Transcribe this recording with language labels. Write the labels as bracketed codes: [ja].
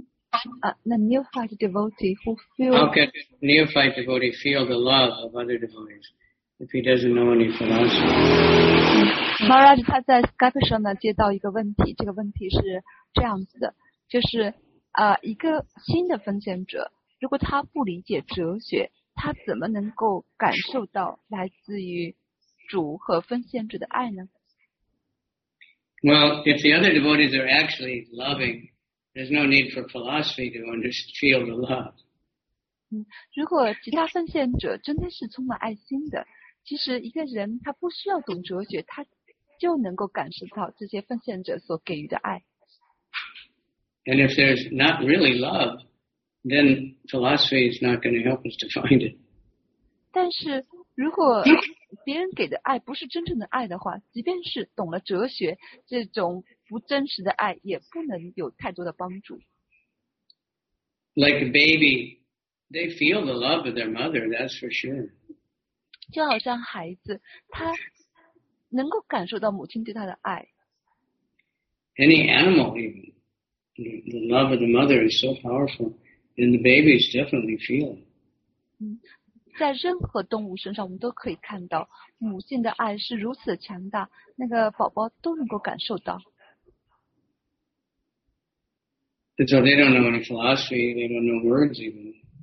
[en] How can a neophyte devotee feel the love of other devotees if he doesn't know any philosophy? [zh] Maharaj, 他在 Skype 上呢接到一个问题，这个问题是这样子的，就是一个新的奉献者，如果他不理解哲学，他怎么能够感受到来自于主和奉献者的爱呢？ [en] Well, if the other devotees are actually loving, there's no need for philosophy to understand feel the love. [zh] 如果其他奉献者真的是充满爱心的，其实一个人他不需要懂哲学，他就能够感受到这些奉献者所给予的爱。 [en] And if there's not really love,then philosophy is not going to help us to find it. [zh] 但是如果别人给的爱不是真正的爱的话，即便是懂了哲学，这种不真实的爱也不能有太多的帮助。 [en] Like a baby, they feel the love of their mother, that's for sure. [zh] 就好像孩子，他能够感受到母亲对他的爱。 [en] Any animal, even, the love of the mother is so powerful. And the babies definitely feel. [zh] 在任何动物身上，我们都可以看到母性的爱是如此强大，那个宝宝都能够感受到。 [en] So they don't know any philosophy. They don't know words even.